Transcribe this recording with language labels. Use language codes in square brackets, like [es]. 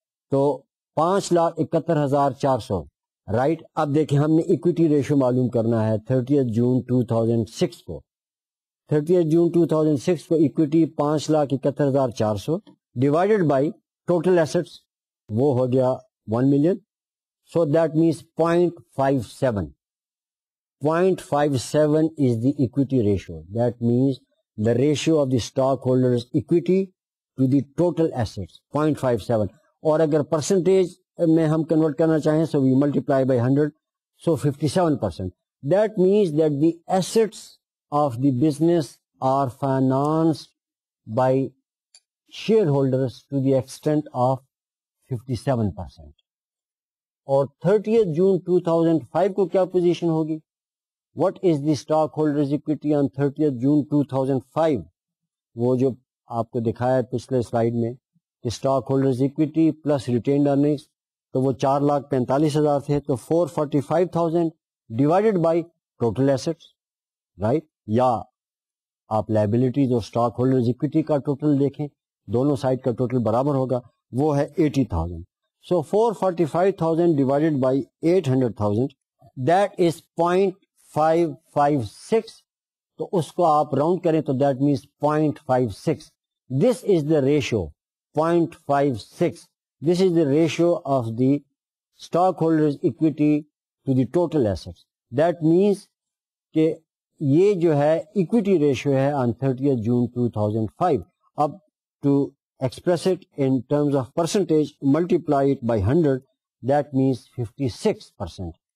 [ur] تو 5,71,400 رائٹ. اب دیکھیں ہم نے اکویٹی ریشو معلوم کرنا ہے 30 June 2006 کو, 30 June 2006 کو equity 5,71,400 divided by total assets وہ ہو گیا 1,000,000. [en] So that means 0.57 is the equity ratio, that means the ratio of the stock holders equity to the total assets 0.57. [ur] اور اگر پرسنٹیج میں ہم کنورٹ کرنا چاہیں [en] So we multiply by 100 so 57%. That means that the assets of the business are finance by shareholders to the extent of 57%. [ur] اور 30 June 2005 کو کیا position ہوگی, [en] what is the stock holders equity on 30 June 2005, [ur] وہ جو آپ کو دکھایا پچھلے سلائڈ میں stock holders equity plus retained earnings, تو وہ 4,45,000 تھے. تو 445,000 divided by total assets right, یا آپ لائبلٹیز اور اسٹاک ہولڈرز اکویٹی کا ٹوٹل دیکھیں دونوں سائڈ کا ٹوٹل برابر ہوگا وہ ہے 80,000. [en] So 445,000 divided by 800,000 that is 0.556. [ur] تو اس کو آپ راؤنڈ کریں تو [en] That means 0.56. This is the ratio 0.56. This is the ratio of the stock holders equity to the total assets. That means [ur] کہ یہ جو ہے اکویٹی ریشیو ہے آن 30 June 2005. [en] اب to express it in terms of percentage multiply it by 100 that means 56%.